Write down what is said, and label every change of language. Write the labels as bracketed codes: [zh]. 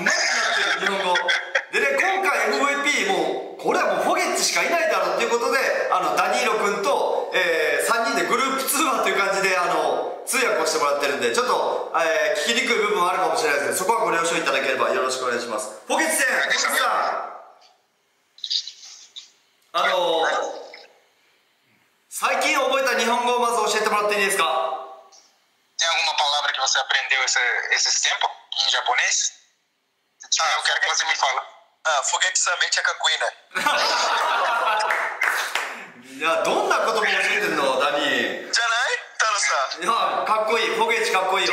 [ja] うまくなってる、日本語。でね、今回 MVP、もう、これはもうホゲッチしかいないだろうということで、ダニーロ君と、3人でグループ通話という感じで、通訳をしてもらってるんで、ちょっと、聞きにくい部分あるかもしれないですけど、そこはご了承いただければよろしくお願いします。ホゲッチ先生、さん。最近覚えた日本語をまず教えてもらっていいですか？ [pt] Tem alguma palavra que você aprendeu esses tempos em japonês? Eu quero que você me fale. Foguete-samente é kakuina. [ja] どんな言葉を教えてるの、ダニー。じゃない？タロさん。かっこいい。フォゲッチかっこいいよ。